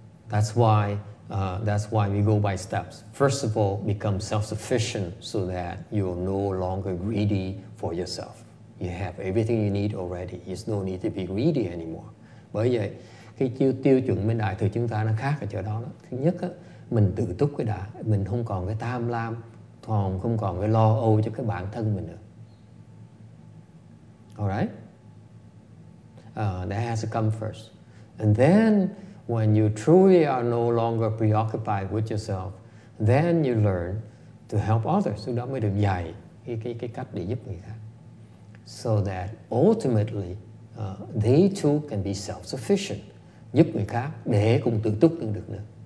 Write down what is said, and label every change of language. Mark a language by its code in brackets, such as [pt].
[en] That's why we go by steps. First of all, become self-sufficient so that you're no longer greedy for yourself. You have everything you need already. There's no need to be greedy anymore. [vi] Bởi vậy, cái tiêu chuẩn bên Đại Thừa chúng ta nó khác ở chỗ đó. Thứ nhất, mình tự túc cái đã. Mình không còn cái tham lam, còn không còn cái lo âu cho cái bản thân mình nữa. [en] Alright, that has to come first, and then when you truly are no longer preoccupied with yourself, then you learn to help others. [vi] Lúc đó mới được dạy cái cách để giúp người khác, [en] so that ultimately they too can be self-sufficient, [vi] giúp người khác để cũng tự túc được nữa.